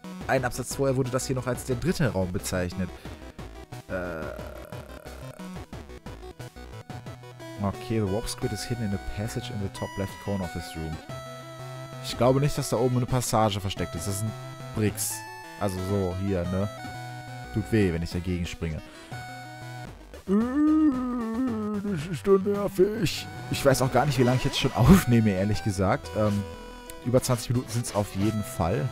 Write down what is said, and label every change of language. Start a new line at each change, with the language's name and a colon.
German: Ein Absatz vorher wurde das hier noch als der dritte Raum bezeichnet.
English: Okay, the warp squid is hidden in a passage in the top left corner of this room.
German: Ich glaube nicht, dass da oben eine Passage versteckt ist. Das sind Bricks. Also so, hier, ne? Tut weh, wenn ich dagegen springe. Das ist doch nervig. Ich weiß auch gar nicht, wie lange ich jetzt schon aufnehme, ehrlich gesagt. Über 20 Minuten sind es auf jeden Fall.